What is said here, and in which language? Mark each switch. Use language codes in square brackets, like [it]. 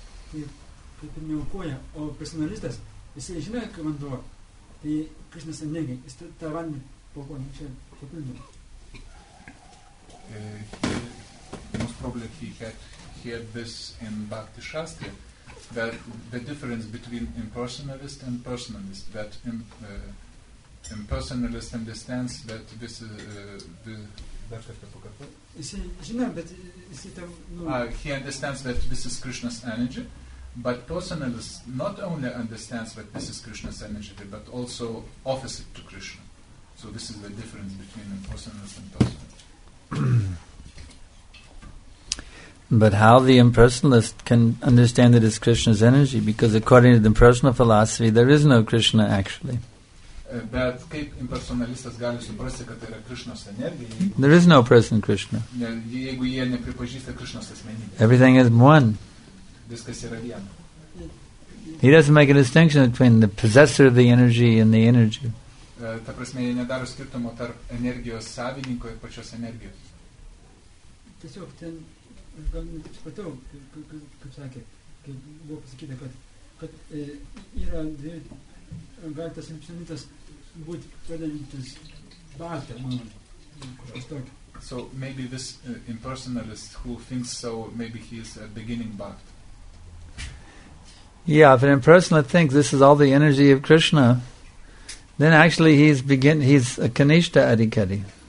[lt] Kaip ir neaukoja, o personalistas, jisai žinoja, kai vanduo, tai Krishna sąmoningai, jis tą vandenį paukoja, čia papildo. [en] Most probably he had heard this in Bhakti Shastri, that the difference between impersonalist and personalist, that impersonalist understands that this is the... [lt] Dar kartą pakartoju. Jisai žinoja, bet jisai tam... [en] He understands that this is Krishna's energy, but personalist not only understands that this is Krishna's energy, but also offers it to Krishna. So this is the difference between impersonalist and personalist. But how the impersonalist can understand that it's Krishna's energy? Because according to the impersonal philosophy, there is no Krishna actually. [lt] But kaip impersonalistas gali suprasti, kad yra [en] Krishna's energy? There is no person Krishna. [lt] Jeigu jie nepripažįsta Krishna's asmenybės. [en] Everything is one. [lt] Viskas yra viena. [en] He doesn't make a distinction between the possessor of the energy and the energy. [lt] Ta prasme, jie nedaro skirtumo tarp energijos savininko ir pačios energijos. Tiesiog ten, gal netaip supratau, kaip sakė, kai buvo pasakyta, kad yra dvi, gal tas impersonalistas būti pradedantis bhakti, manau, kažkas tokio. [en] So maybe this impersonalist who thinks so, maybe he is a beginning bhakti. Yeah, if an impersonalist thinks this is all the energy of Krishna, then actually he's a Kanishta Adhikari.